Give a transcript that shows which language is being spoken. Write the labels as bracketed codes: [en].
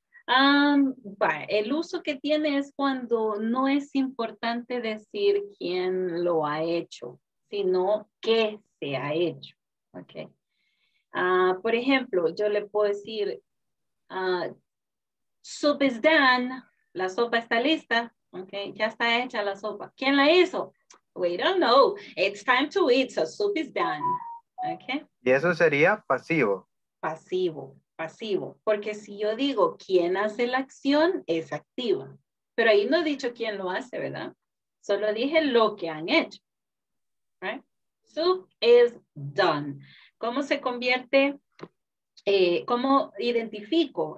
[es] El uso que tiene es cuando no es importante decir quién lo ha hecho, sino qué se ha hecho. Okay. Por ejemplo, yo le puedo decir, [en] soup is done, [es] la sopa está lista. Okay, ya está hecha la sopa. ¿Quién la hizo? [en] We don't know. It's time to eat, so soup is done. Okay. [es] Y eso sería pasivo. Pasivo. Porque si yo digo quién hace la acción, es activa. Pero ahí no he dicho quién lo hace, ¿verdad? Solo dije lo que han hecho. [en] Right? Soup is done. [es] ¿Cómo se convierte? ¿Cómo identifico?